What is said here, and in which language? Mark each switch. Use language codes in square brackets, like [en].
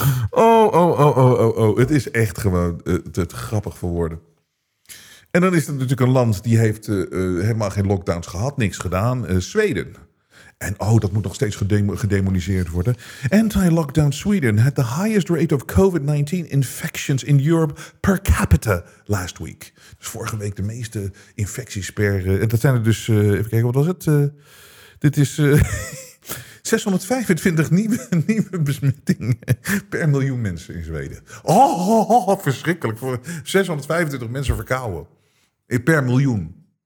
[nl] Oh. Het is echt gewoon te grappig voor woorden. En dan is het natuurlijk een land die heeft helemaal geen lockdowns gehad, niks gedaan. Zweden. En oh, dat moet nog steeds gedemoniseerd worden. [en] Anti-lockdown Sweden had the highest rate of COVID-19 infections in Europe per capita last week. [nl] Dus vorige week de meeste infecties per... En dat zijn er dus... even kijken, wat was het? Dit is 625 nieuwe besmettingen per miljoen mensen in Zweden. Oh, verschrikkelijk. 625 mensen verkouden. Per miljoen.